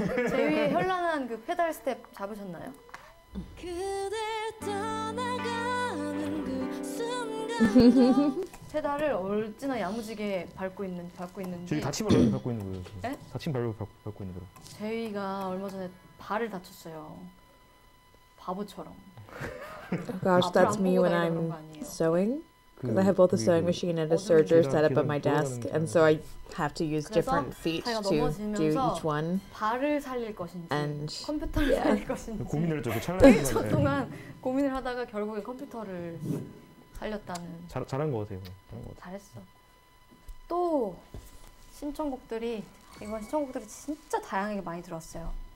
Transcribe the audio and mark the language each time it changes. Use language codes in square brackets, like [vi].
[ko] 제 위에 현란한 그 페달 스텝 잡으셨나요? 그대 떠나가는 그 순간도 페달을 얼찌나 야무지게 밟고 있는데 저희 다친 발로 밟고 있는 거예요. 네? 다친 발로 밟고 있는 거. 제 위가 얼마 전에 발을 다쳤어요. 바보처럼. [en] Oh gosh, that's me when I'm sewing. Because I have both a sewing machine and a serger set up at my desk. And so I have to use different feet to do each one. [ko] 발을 살릴 것인지, and 컴퓨터를 yeah. 살릴 것인지. 고민을 좀 찰나했는데. 1초 동안 고민을 하다가 결국에 컴퓨터를 살렸다는. 잘한 거 같아요. 잘했어. 또 신청곡들이, 이번 신청곡들이 진짜 다양하게 많이 들었어요.